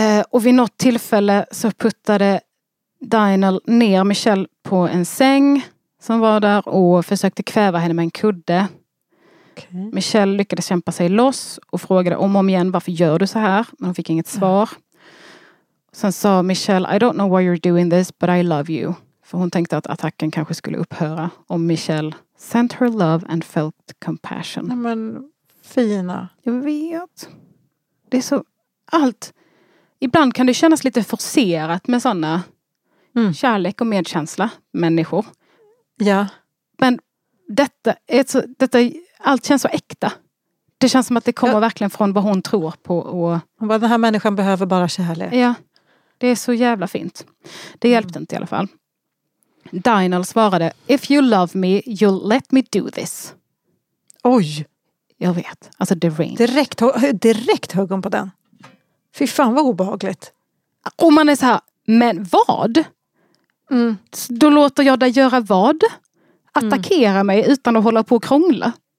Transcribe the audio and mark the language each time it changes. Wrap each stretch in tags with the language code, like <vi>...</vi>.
<sv>Och vid något tillfälle så puttade Daniel ner Michelle på en säng som var där och försökte kväva henne med en kudde. Okay. Michelle lyckades kämpa sig loss och frågade om igen, varför gör du så här? Men hon fick inget svar. Sen sa</sv> <en>Michelle, I don't know why you're doing this, but I love you.</en> <sv>För hon tänkte att attacken kanske skulle upphöra om Michelle</sv> <en>sent her love and felt compassion.</en> <sv>Nej, men fina. Jag vet. Det är så allt... Ibland kan det kännas lite forcerat med sådana kärlek och medkänsla människor. Ja. Men detta, är så, detta allt känns så äkta. Det känns som att det kommer verkligen från vad hon tror på. Och den här människan behöver bara kärlek. Ja, det är så jävla fint. Det hjälpte inte i alla fall.</sv> <en>Daniel</en> <sv>svarade,</sv> <en>if you love me, you'll let me do this.</en> <sv>Oj. Jag vet, alltså det ringer. Direkt högon på den. Fy fan vad obehagligt. Och man är så här, men vad? Mm. Då låter jag dig göra vad? Attackera mig utan att hålla på och krångla.</sv>